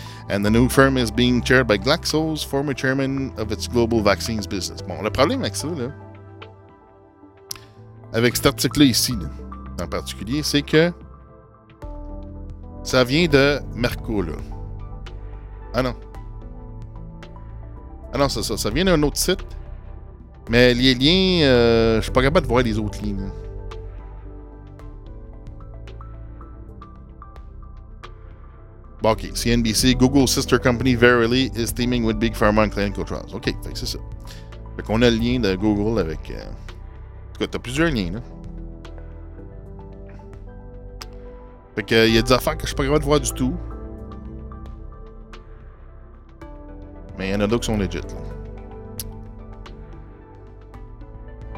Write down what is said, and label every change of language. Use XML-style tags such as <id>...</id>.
<en>And the new firm is being chaired by Glaxo's former chairman of its global vaccines business.</en> <fr>Bon, le problème avec ça, là, avec cet article-là ici, là, en particulier, c'est que ça vient de Merco, là. Ah non. Ah non, c'est ça. Ça vient d'un autre site. Mais les liens, je suis pas capable de voir les autres liens. Bon, OK.</fr> <en>CNBC, Google's sister company Verily is teaming with Big Pharma and Clinical Trials.</en> <fr>OK, fait que c'est ça. Fait qu'on a le lien de Google avec... En tout cas, t'as plusieurs liens, là. Fait qu'il y a des affaires que je suis pas capable de voir du tout. mais il y en a d'autres qui sont legit. Là.</fr>